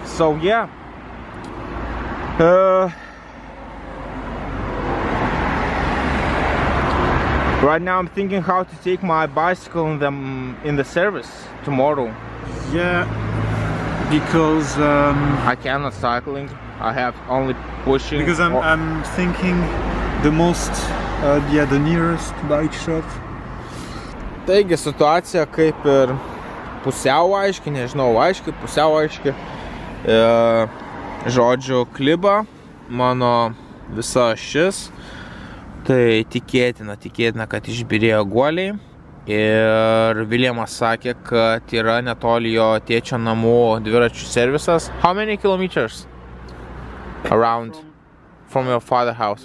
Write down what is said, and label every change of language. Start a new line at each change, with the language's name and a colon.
English: So yeah, right now I'm thinking how to take my bicycle in the service tomorrow. Yeah, because I cannot cycling. I have only pushing. Because I'm thinking the most, the nearest bike shop.
Lithuanian: Taigi situacija kaip ir pusiau aiški, nežinau, aiški, pusiau aiški. Žodžiu, kliba mano visa šis. Tai tikėtina, kad išbirėjo guoliai. Ir Viljamas sakė, kad yra netoli jo tėčio namų dviračių servisas.
English: How many kilometers around from your father's house?